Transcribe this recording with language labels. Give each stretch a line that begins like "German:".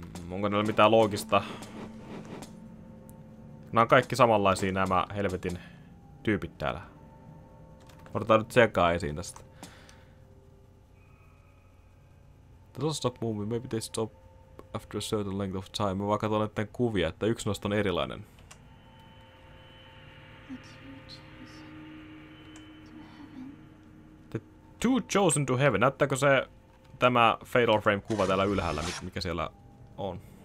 Finnish: Onko näillä mitään loogista? Nämä on kaikki samanlaisia nämä helvetin tyypit täällä. Odotetaan nyt sekaa esiin tästä.
English: The dolls stop moving, maybe they stop after a certain length of time.
Finnish: Mä vaan katson näiden kuvia, että yksi noista on erilainen.
English: The two chosen to heaven.
Finnish: Näyttääkö se tämä Fatal Frame-kuva täällä ylhäällä, mikä siellä on?